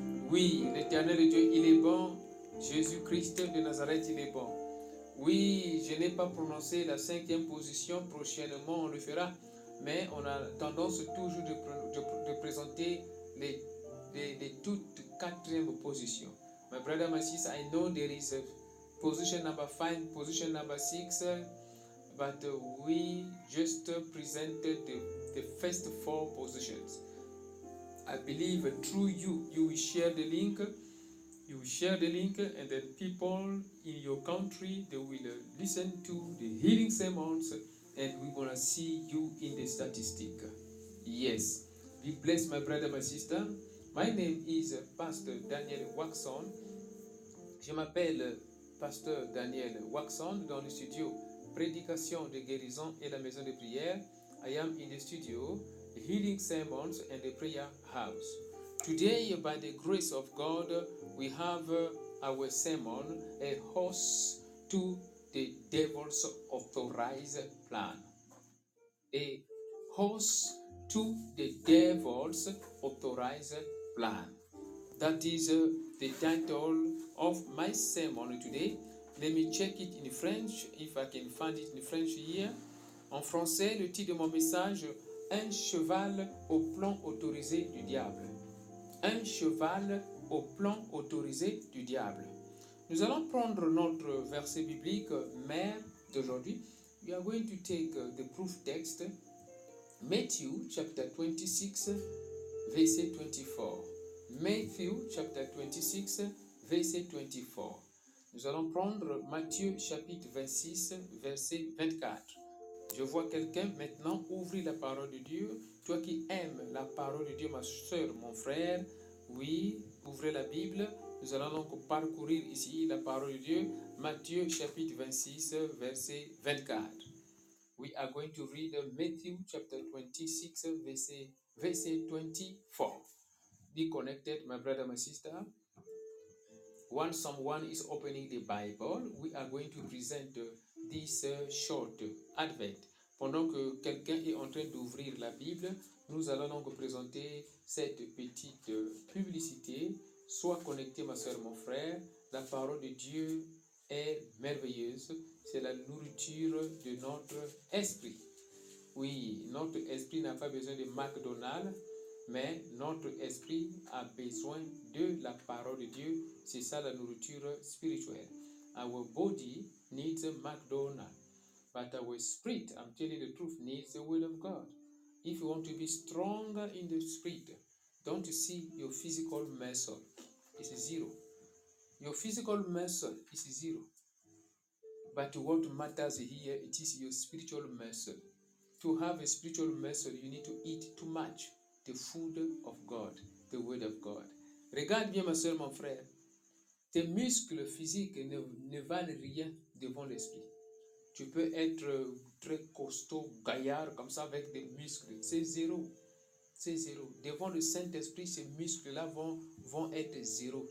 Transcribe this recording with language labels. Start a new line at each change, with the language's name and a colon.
French: Oui, l'Éternel Dieu, il est bon. Jésus-Christ de Nazareth, il est bon. Oui, je n'ai pas prononcé la cinquième position. Prochainement, on le fera. Mais on a tendance toujours de présenter les toutes quatrièmes positions.
English: My brother, my sister, I know there is a position number 5, position number 6. But we just presented the first 4 positions. I believe through you will share the link. You will share the link, and then people in your country, they will listen to the healing sermons, and we're gonna see you in the statistic. Yes. Be blessed, my brother, my sister. My name is Pastor Daniel Waxon.
French: Je m'appelle Pasteur Daniel Waxon dans le studio Prédication de guérison et la maison de prière.
English: I am in the studio Healing Sermons and the Prayer House. Today, by the grace of God, we have our sermon, A Horse to the Devil's Authorized Plan. A Horse to the Devil's Authorized Plan. That is the title of my sermon today. Let me check it in French, if I can find it in French here.
French: En français, le titre de mon message, Un cheval au plan autorisé du diable. Un cheval au plan autorisé du diable. Nous allons prendre notre verset biblique mère d'aujourd'hui.
English: We are going to take the proof text. Matthew chapter 26, verset 24. Matthew chapter 26, verset 24.
French: Nous allons prendre Matthieu chapitre 26, verset 24. Je vois quelqu'un maintenant ouvrir la parole de Dieu. Toi qui aimes la parole de Dieu, ma soeur, mon frère, oui, ouvrez la Bible. Nous allons donc parcourir ici la parole de Dieu. Matthieu chapitre 26, verset 24.
English: We are going to read Matthew chapter 26, verset 24. Be connected, my brother, my sister. When someone is opening the Bible, we are going to present this short advent.
French: Pendant que quelqu'un est en train d'ouvrir la Bible, nous allons donc présenter cette petite publicité. Sois connecté, ma soeur, mon frère. La parole de Dieu est merveilleuse. C'est la nourriture de notre esprit. Oui, notre esprit n'a pas besoin de McDonald's, mais notre esprit a besoin de la parole de Dieu. C'est ça la nourriture spirituelle.
English: Our body needs a McDonald's, but our spirit, I'm telling the truth, needs the word of God. If you want to be stronger in the spirit, don't see your physical muscle. It's zero. Your physical muscle is zero. But what matters here, it is your spiritual muscle. To have a spiritual muscle, you need to eat too much the food of God, the word of God.
French: Regarde bien, ma soeur, mon frère. Tes muscles physiques ne valent rien devant l'esprit. Tu peux être très costaud, gaillard, comme ça, avec des muscles. C'est zéro. C'est zéro. Devant le Saint-Esprit, ces muscles-là vont être zéro.